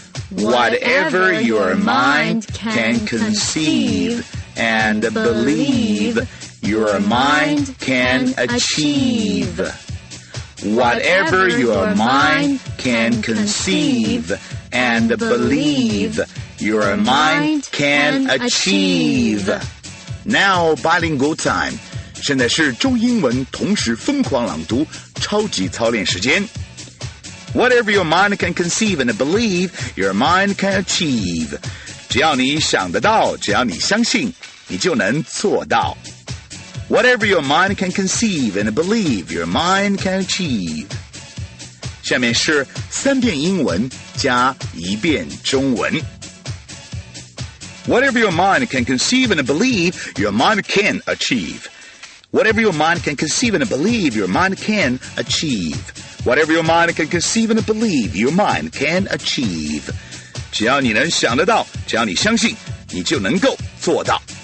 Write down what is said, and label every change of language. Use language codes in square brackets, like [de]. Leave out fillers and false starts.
[en] Whatever your mind can conceive and believe, your mind can achieve. Whatever your mind can conceive and believe, your mind can achieve. Now, bilingual time. [zh] 现在是中英文同时疯狂朗读超级操练时间。 [en] Whatever your mind can conceive and believe, your mind can achieve. [zh] 只要你想得到，只要你相信，你就能做到。 [en] Whatever your mind can conceive and believe, your mind can achieve. [zh] 下面是三遍英文加一遍中文。 [en] Whatever your mind can conceive and believe, your mind can achieve. Whatever your mind can conceive and believe, your mind can achieve. Whatever your mind can conceive and believe, your mind can achieve. [zh] 只要你能想得到，只要你相信，你就能够做到。